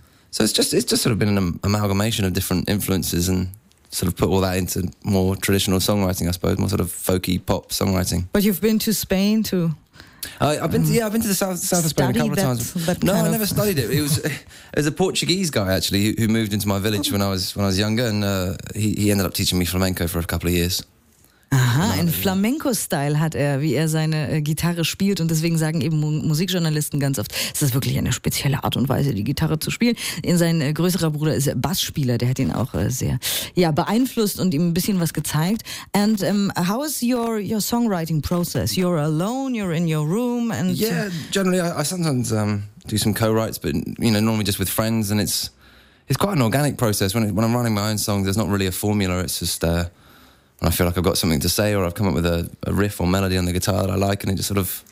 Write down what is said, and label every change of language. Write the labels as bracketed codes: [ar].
[en] So it's just sort of been an amalgamation of different influences and sort of put all that into more traditional songwriting, I suppose, more sort of folky pop songwriting. But you've been to Spain too. I've been to the south of Spain a couple of times. I never studied it. It was a Portuguese guy actually who moved into my village when I was younger, and he ended up teaching me flamenco for a couple of years. [de] Aha, in Flamenco-Style hat er, wie er seine Gitarre spielt. Und deswegen sagen eben Musikjournalisten ganz oft, es ist wirklich eine spezielle Art und Weise, die Gitarre zu spielen. Sein größerer Bruder ist Bassspieler, der hat ihn auch sehr beeinflusst und ihm ein bisschen was gezeigt. [en] And how is your songwriting process? You're alone, you're in your room. And yeah, generally I sometimes do some co-writes, but you know, normally just with friends. And it's quite an organic process. When I'm writing my own songs, there's not really a formula, it's just I feel like I've got something to say, or I've come up with a riff or melody on the guitar that I like, and it just sort of...